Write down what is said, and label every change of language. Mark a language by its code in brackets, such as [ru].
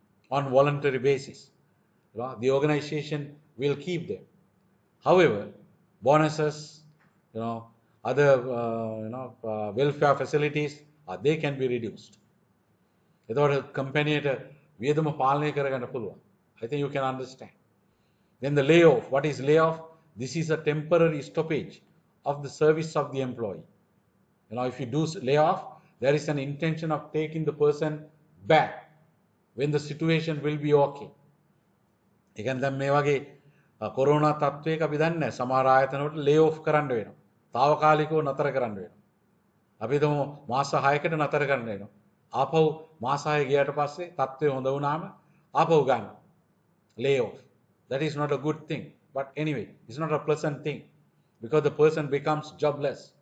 [en] on voluntary basis the organization will keep them however bonuses you know other you know welfare facilities they can be reduced [si] etoda company eta viyadama palane karaganna puluwa [en] I think you can understand then the layoff what is layoff this is a temporary stoppage of the service of the employee you know if you do layoff There is an intention of taking the person back when the situation will be okay. [si] ඒකෙන් දැන් මේ වගේ corona තත්ත්වයක අපි දන්නේ නැහැ සමහර ආයතනවල ලේ ඔෆ් කරන්න වෙනවා. තාවකාලිකව නතර කරන්න වෙනවා. අපි දුමු මාස 6කට නතර කරන්න වෙනවා. ආපහු මාස 6 ගියාට පස්සේ තත්ත්වය හොඳ වුණාම ආපහු ගන්න. [en] Lay off. That is not a good thing. But anyway, it's not a pleasant thing because the person becomes jobless.